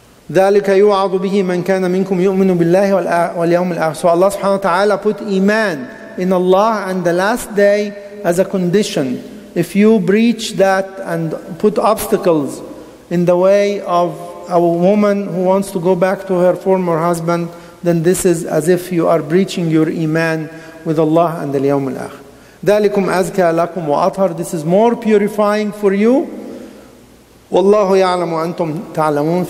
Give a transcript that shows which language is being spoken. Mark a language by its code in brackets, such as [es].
[ar] ذلك يوعظ به من كان منكم يؤمن بالله واليوم الآخر. [en] So Allah subhanahu wa ta'ala put iman in Allah and the last day as a condition. If you breach that and put obstacles in the way of a woman who wants to go back to her former husband, then this is as if you are breaching your iman with Allah and the Yawm al-Akhir. [ar] ذلكم أزكى لكم وأطهر. [en] This is more purifying for you. [ar] والله يعلم وأنتم تعلمون.